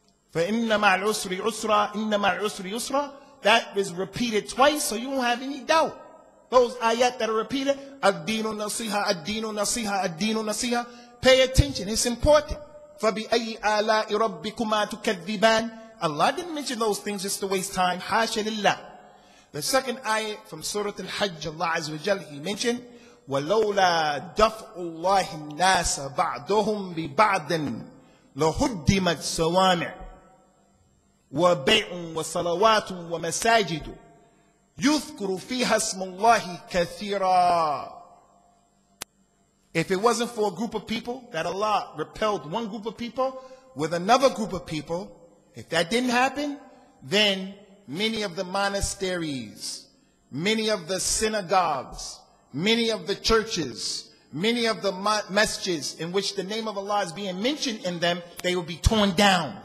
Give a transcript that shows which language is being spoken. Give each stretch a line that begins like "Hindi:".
English: For
Arabic: innama al-usri usra, innama al-usri usra,
English: that is repeated twice so you won't have any doubt. Those ayat that are repeated,
Arabic: ad-deenu nasiha, ad-deenu nasiha, ad-deenu nasiha,
English: pay attention, it's important.
Arabic: فَبِأَيِّ آلَاءِ رَبِّكُمَا تُكَذِّبَانِ.
English: Allah didn't mention those things just to waste time.
Arabic: حاشا لله.
English: The second ayah from Surah Al-Hajj, Allah Azza wa Jal, He mentioned,
Arabic: وَلَوْلَا دَفْعُ اللَّهِ النَّاسَ بَعْضُهُمْ بِبَعْضٍ لَهُدِّمَتْ صَوَامِعُ وَبَيْعٌ وَصَلَوَاتٌ وَمَسَاجِدُ يُذْكُرُ فِيهَا اسْمُ اللَّهِ كَثِيرًا.
English: If it wasn't for a group of people, that Allah repelled one group of people with another group of people, if that didn't happen, then many of the monasteries, many of the synagogues, many of the churches, many of the messages in which the name of Allah is being mentioned in them, they will be torn down.